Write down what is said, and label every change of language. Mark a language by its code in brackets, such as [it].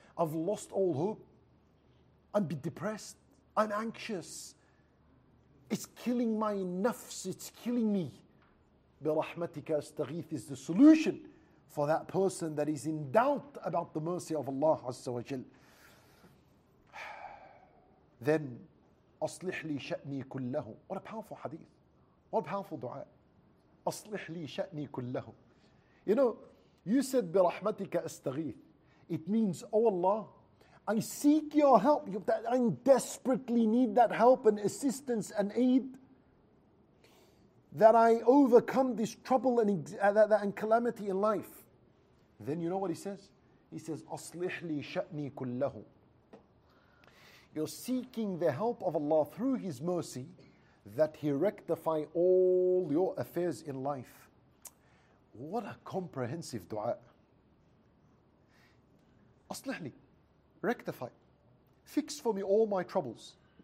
[en] I've lost all hope. I'm depressed. I'm anxious. It's killing my nafs. It's killing me. [ar] بِرَحْمَتِكَ أَسْتَغِيثِ [en] is the solution for that person that is in doubt about the mercy of Allah Azza wa Jal. Then, [ar] أَصْلِحْ لِي شَأْنِي كُلَّهُ. [en] What a powerful hadith. What a powerful dua. [ar] أَصْلِحْ لِي شَأْنِي كُلَّهُ. [en] You know, you said [ar] بِرَحْمَتِكَ أَسْتَغِيثِ. [en] It means, oh Allah, I seek your help. I desperately need that help and assistance and aid. that I overcome this trouble and calamity in life. Then you know what he says? He says, [ar] أصلح لي شأني كله. [en] You're seeking the help of Allah through His mercy that He rectify all your affairs in life. What a comprehensive dua. [ar] أصلح لي, [en] rectify, fix for me all my troubles.